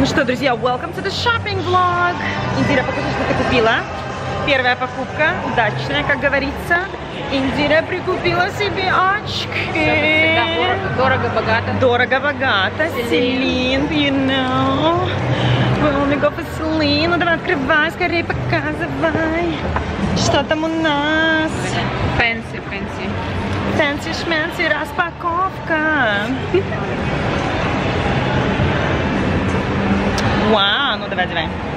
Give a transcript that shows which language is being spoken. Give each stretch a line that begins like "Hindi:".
Russian: Ну что, друзья,
English: welcome to the shopping vlog!
Russian: Индира, покажи, что ты купила. Первая покупка, удачная, как говорится. Индира прикупила себе очки. Все, всегда дорого-богато. Дорого-богато.
English: Селин, you know. We only go for Celine.
Russian: Ну давай, открывай, скорее показывай. Что там у нас?
English: Fancy, fancy.
Russian: Фэнси-шмэнси, распаковка. Вау, ну давай, давай.